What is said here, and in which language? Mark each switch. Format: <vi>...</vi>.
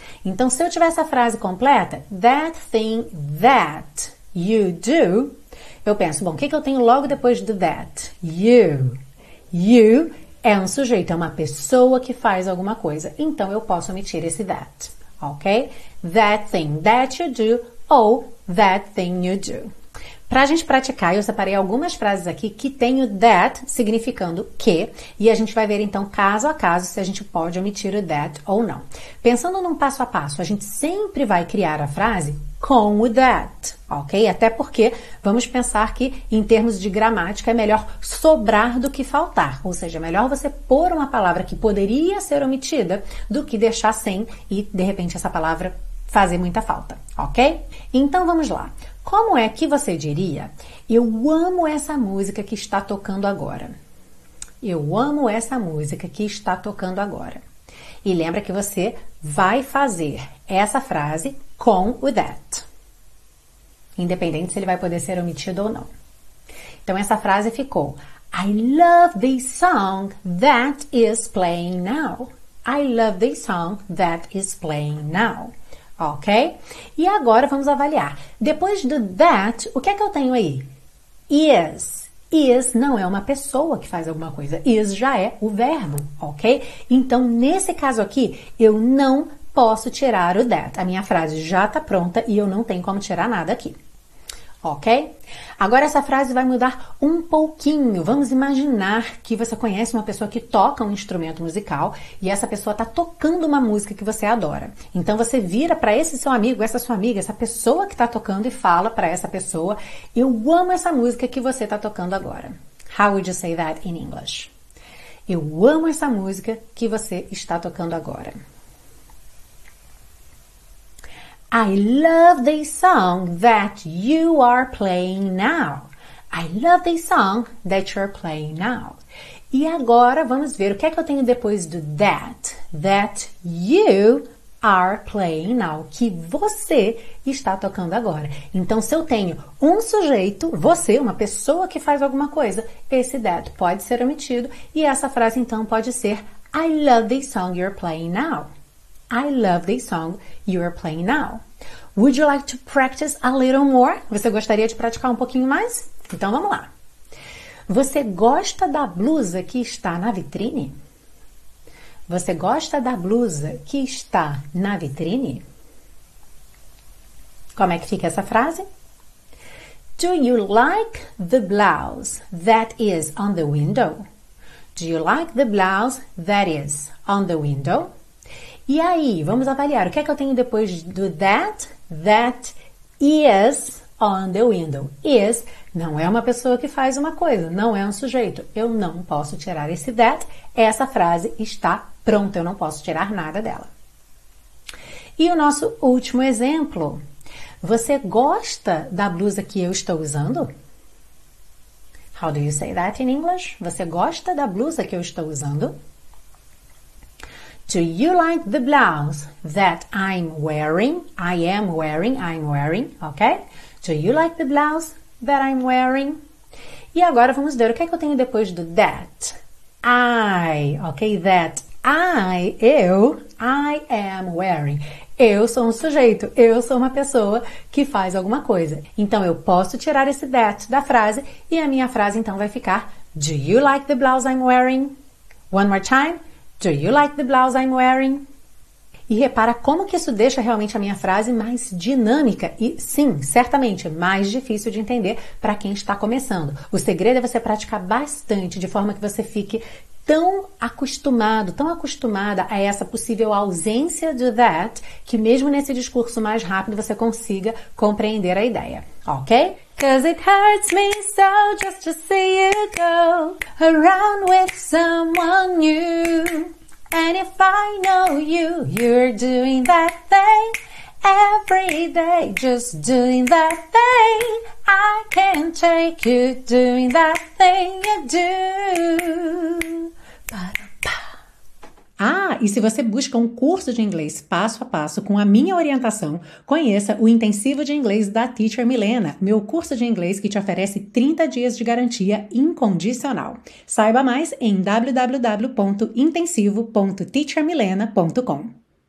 <pt>Então, se eu tiver essa frase completa,</pt> <en>that thing that you do,</en> <pt>eu penso, bom, o que eu tenho logo depois do that? You. You é um sujeito, é uma pessoa que faz alguma coisa. Então, eu posso omitir esse that, ok?</pt> <en>That thing that you do ou that thing you do.</en> <pt>Para a gente praticar, eu separei algumas frases aqui que tem o that significando que. E a gente vai ver, então, caso a caso, se a gente pode omitir o that ou não. Pensando num passo a passo, a gente sempre vai criar a frase com o that, ok? Até porque vamos pensar que, em termos de gramática, é melhor sobrar do que faltar. Ou seja, é melhor você pôr uma palavra que poderia ser omitida do que deixar sem e, de repente, essa palavra fazer muita falta, ok? Então, vamos lá. Como é que você diria, eu amo essa música que está tocando agora? Eu amo essa música que está tocando agora. E lembra que você vai fazer essa frase com o that. Independente se ele vai poder ser omitido ou não. Então, essa frase ficou,</pt> <en>I love this song that is playing now. I love this song that is playing now.</en> <pt>Ok? E agora vamos avaliar. Depois do that, o que é que eu tenho aí? Is. Is não é uma pessoa que faz alguma coisa. Is já é o verbo, ok? Então, nesse caso aqui, eu não posso tirar o that. A minha frase já está pronta e eu não tenho como tirar nada aqui. Ok? Agora essa frase vai mudar um pouquinho. Vamos imaginar que você conhece uma pessoa que toca um instrumento musical e essa pessoa está tocando uma música que você adora. Então você vira para esse seu amigo, essa sua amiga, essa pessoa que está tocando e fala para essa pessoa, eu amo essa música que você está tocando agora.</pt> <en>How would you say that in English?</en> <pt>Eu amo essa música que você está tocando agora.</pt> <en>I love the song that you are playing now. I love the song that you're playing now.</en> <pt>E agora vamos ver o que é que eu tenho depois do that.</pt> <en>That you are playing now,</en> <pt>que você está tocando agora. Então, se eu tenho um sujeito, você, uma pessoa que faz alguma coisa, esse that pode ser omitido e essa frase, então, pode ser</pt> <en>I love this song you're playing now. I love this song you're playing now. Would you like to practice a little more?</en> <pt>Você gostaria de praticar um pouquinho mais? Então, vamos lá. Você gosta da blusa que está na vitrine? Você gosta da blusa que está na vitrine? Como é que fica essa frase?</pt> <en>Do you like the blouse that is on the window? Do you like the blouse that is on the window?</en> <pt>E aí, vamos avaliar. O que é que eu tenho depois do that?</pt> <en>That is on the window.</en> <pt>Is não é uma pessoa que faz uma coisa, não é um sujeito. Eu não posso tirar esse that. Essa frase está pronta, eu não posso tirar nada dela. E o nosso último exemplo. Você gosta da blusa que eu estou usando?</pt> <en>How do you say that in English?</en> <pt>Você gosta da blusa que eu estou usando?</pt> <en>Do you like the blouse that I'm wearing? I am wearing, I'm wearing, ok? Do you like the blouse that I'm wearing?</en> <pt>E agora vamos ver o que é que eu tenho depois do that. I, ok?</pt> <en>That I am wearing.</en> <pt>Eu sou um sujeito, eu sou uma pessoa que faz alguma coisa. Então, eu posso tirar esse that da frase e a minha frase, então, vai ficar</pt> <en>Do you like the blouse I'm wearing? One more time. Do you like the blouse I'm wearing?</en> <pt>E repara como que isso deixa realmente a minha frase mais dinâmica e, sim, certamente, mais difícil de entender para quem está começando. O segredo é você praticar bastante, de forma que você fique tão acostumado, tão acostumada a essa possível ausência do that, que mesmo nesse discurso mais rápido você consiga compreender a ideia, ok?</pt> <en>Cause it hurts me so just to see you go around with someone new. And if I know you, you're doing that thing every day, just doing that thing. I can't take you doing that thing you do.</en> <pt>Ah, e se você busca um curso de inglês passo a passo com a minha orientação, conheça o Intensivo de Inglês da Teacher Milena, meu curso de inglês que te oferece 30 dias de garantia incondicional. Saiba mais em www.intensivo.teachermilena.com.</pt>